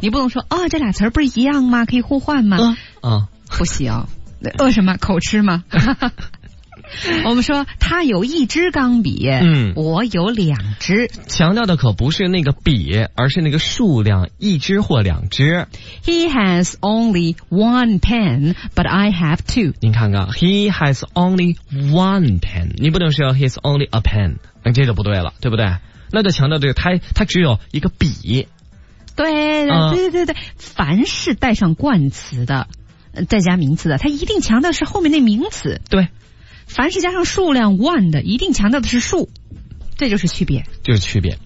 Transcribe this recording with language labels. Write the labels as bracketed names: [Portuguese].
[Chinese] 你不能说哦，这俩词儿不是一样吗？可以互换吗？啊、不行，什么口吃吗？我们说他有一支钢笔，嗯，我有两支，强调的可不是那个笔，而是那个数量，一支或两支。 [English] He has only one pen but I have two。 [Chinese] 您看看 [English] He has only one pen， [Chinese] 你不能说 [English] He's only a pen， [Chinese] 那这就不对了，对不对？那就强调这个他只有一个笔。对对对对对、凡是带上冠词的再加名词的，他一定强调是后面那名词。对，凡是加上数量 one 的，一定强调的是数，这就是区别，就是区别，